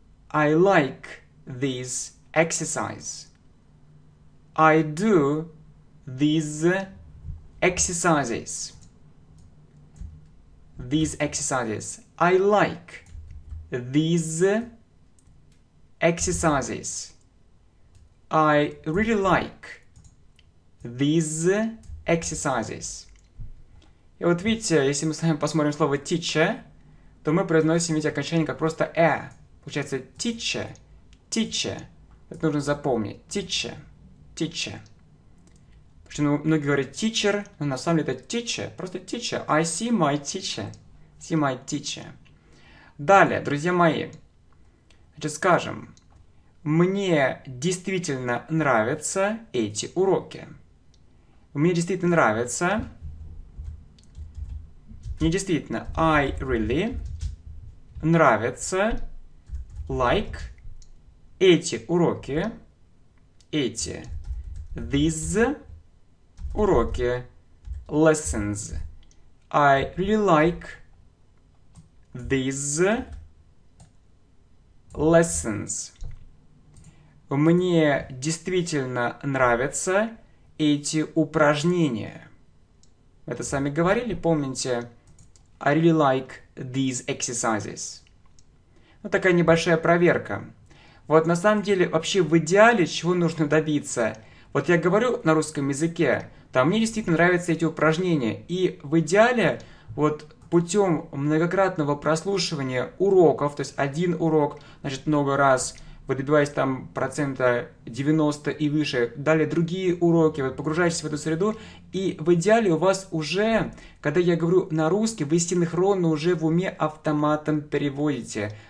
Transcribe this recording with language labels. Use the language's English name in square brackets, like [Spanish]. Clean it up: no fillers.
[English] I like this exercise. I do these exercises. These exercises. I like these exercises. I really like these exercises. [Russian] И вот видите, если мы с вами посмотрим слово teacher, то мы произносим эти окончания как просто e. Получается teacher, teacher. Это нужно запомнить. Teacher, teacher. Потому что многие говорят teacher, но на самом деле это teacher, просто teacher. [English] I see my teacher. See my teacher. [Russian] Далее, друзья мои, значит, скажем, мне действительно нравятся эти уроки. Мне действительно нравится. Мне действительно. [English] I really [Russian] нравятся. [English] Like [Russian] эти уроки. Эти. [English] These [Russian] уроки. [English] Lessons. I really like these lessons. [Russian] Мне действительно нравятся эти упражнения. Это сами говорили, помните? [English] I really like these exercises. [Russian] Ну, такая небольшая проверка. Вот на самом деле, вообще в идеале, чего нужно добиться? Вот я говорю на русском языке, там мне действительно нравятся эти упражнения. И в идеале, вот путем многократного прослушивания уроков, то есть один урок, значит, много раз, вы добиваетесь там процента 90 и выше, далее другие уроки, вот погружаетесь в эту среду, и в идеале у вас уже, когда я говорю на русский, вы синхронно уже в уме автоматом переводите.